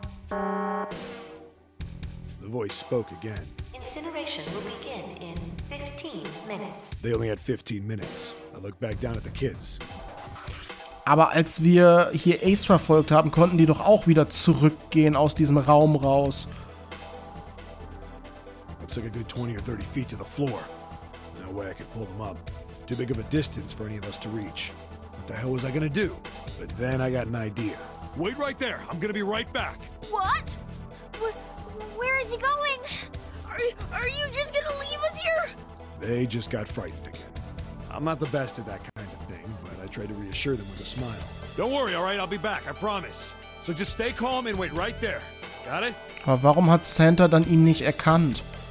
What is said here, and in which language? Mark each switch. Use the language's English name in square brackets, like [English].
[English] The voice spoke again. Incineration will begin in 15 minutes. They only had 15 minutes. I looked back down at the kids. [German] Aber als wir hier Ace verfolgt haben, konnten die doch auch wieder zurückgehen aus diesem Raum raus. [English] Looks like a good 20 or 30 feet to the floor. No way I could pull them up. Too big of a distance for any of us to reach. What the hell was I gonna do? But then I got an idea. Wait right there. I'm gonna be right back. What? Where is he going? Are you just gonna leave us here? They just got frightened again. I'm not the best at that kind. I tried to reassure them with a smile. Don't worry, all right, I'll be back, I promise. So just stay calm and wait right there. Got it? [German] Aber warum hat Santa dann ihn nicht erkannt?